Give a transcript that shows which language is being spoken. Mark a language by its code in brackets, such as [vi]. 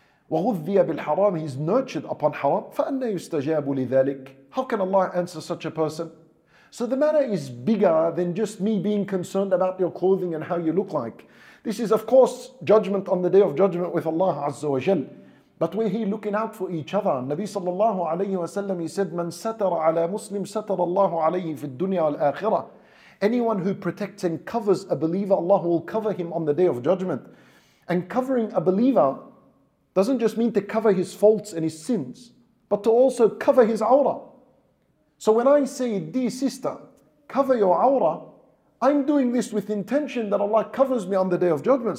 [ar] وَهُذِّيَ بِالْحَرَامِ, [en] he's nurtured upon haram. [ar] فَأَنَّ يُسْتَجَابُ لِذَلِكَ, [en] how can Allah answer such a person? So the matter is bigger than just me being concerned about your clothing and how you look like. This is of course judgment on the day of judgment with Allah Azza wa Jal. But we're here looking out for each other. [ar] Nabi sallallahu alayhi wa sallam, [en] he said, [ar] مَنْ سَتَرَ عَلَى مُسْلِمْ سَتَرَ اللَّهُ عَلَيْهِ فِي الدُّنْيَا وَالْآخِرَةِ. [en] Anyone who protects and covers a believer, Allah will cover him on the day of judgment. And covering a believer doesn't just mean to cover his faults and his sins, but to also cover his awrah. So when I say, dear sister, cover your awrah, I'm doing this with intention that Allah covers me on the day of judgment.